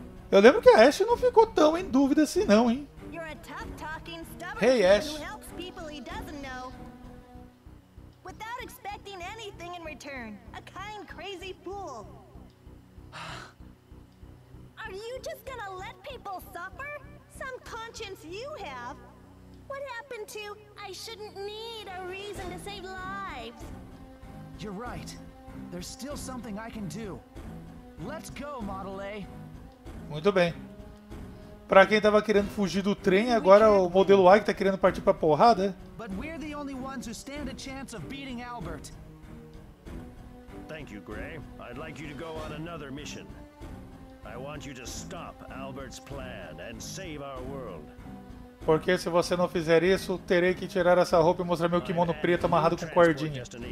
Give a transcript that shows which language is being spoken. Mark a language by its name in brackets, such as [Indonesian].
[Portuguese] Eu lembro que a Ash não ficou tão em dúvida assim não, hein? [English] You're a tough-talking, stubborn hey, Ash. Who helps people he doesn't know. Without expecting anything in return. A kind, crazy fool. Are you just gonna let people suffer? Some conscience you have. What happened to I shouldn't need a reason to save lives? You're right. There's still something I can do. Let's go, Model A. [Portuguese] Muito bem. Pra quem tava querendo fugir do trem, agora o modelo A que tá querendo partir pra porrada. [English] But we're the only ones who stand a chance of beating Albert. Thank you, Gray. I'd like you to go on another mission. I want you to stop Albert's plan and save our world. [Portuguese] Porque se você não fizer isso, terei que tirar essa roupa e mostrar meu kimono preto amarrado com cordinha.